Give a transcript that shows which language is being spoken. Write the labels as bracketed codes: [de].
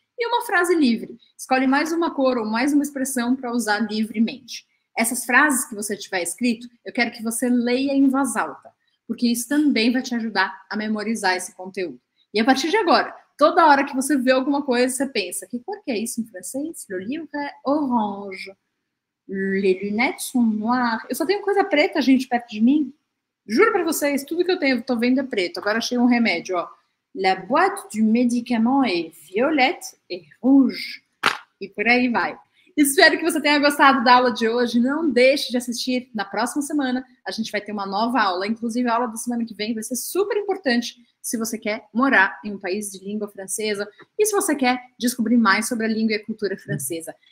[pt] E uma frase livre. Escolhe mais uma cor ou mais uma expressão para usar livremente. Essas frases que você tiver escrito, eu quero que você leia em voz alta, porque isso também vai te ajudar a memorizar esse conteúdo. E a partir de agora, toda hora que você vê alguma coisa, você pensa, que cor que é isso em francês? [fr] Le livre orange. Les lunettes sont noires. [pt] Eu só tenho coisa preta, gente, perto de mim. Juro pra vocês, tudo que eu tenho, tô vendo é preto. Agora achei um remédio, ó. [fr] La boîte du médicament est violette et rouge. [pt] E por aí vai. Espero que você tenha gostado da aula de hoje. Não deixe de assistir na próxima semana. A gente vai ter uma nova aula. Inclusive, a aula da semana que vem vai ser super importante se você quer morar em um país de língua francesa e se você quer descobrir mais sobre a língua e a cultura francesa.